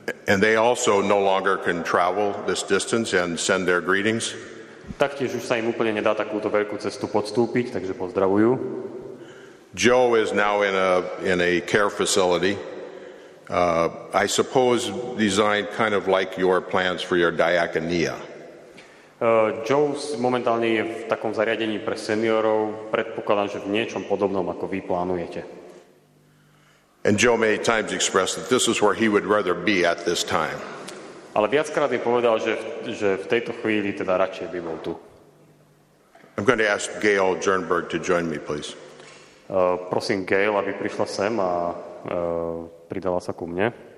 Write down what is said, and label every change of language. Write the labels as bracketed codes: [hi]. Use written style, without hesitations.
[en] And they also no longer can travel this distance and send their greetings. [sk] Taktiež už sa im úplne nedá takúto veľkú cestu podstúpiť, takže pozdravujú. [en] Joe is now in a care facility. I suppose designed kind of like your plans for your diakonia. [sk] Joe momentálne je v takom zariadení pre seniorov. Predpokladám, že v niečom podobnom, ako vy plánujete. [en] And Joe many times expressed that this is where he would rather be at this time. [sk] Ale viackrát mi povedal, že v tejto chvíli teda radšej by bol tu. [en] I'm going to ask Gail Jernberg to join me, please. [sk] Prosím Gail, aby prišla sem a pridala sa ku mne.